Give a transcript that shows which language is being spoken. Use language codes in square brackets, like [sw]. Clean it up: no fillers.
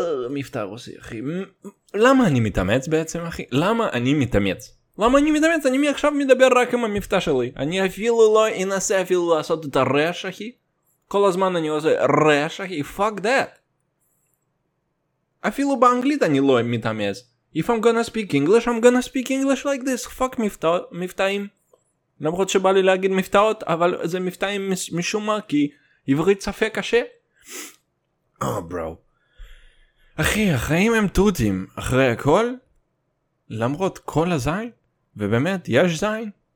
[he] מבטא רוסי, אחי. למה אני מתאמץ בעצם, אחי? למה אני מתאמץ? למה אני מתאמץ? אני עכשיו מדבר רק עם המבטא שלי. אני אפילו לא אנסה אפילו לעשות את הרש, אחי. כל הזמן אני עושה רש, אחי. [en] Fuck that. [he] אפילו באנגלית אני לא מתאמץ. [en] If I'm gonna speak English, I'm gonna speak English like this. [he] Fuck מבטאים. למרות שבא לי להגיד מבטאות, אבל זה מבטאים משום מה, כי... עברית ספה קשה? ברו. אחי, החיים הם טוטים. אחרי הכל, למרות כל הזין, ובאמת, יש זין?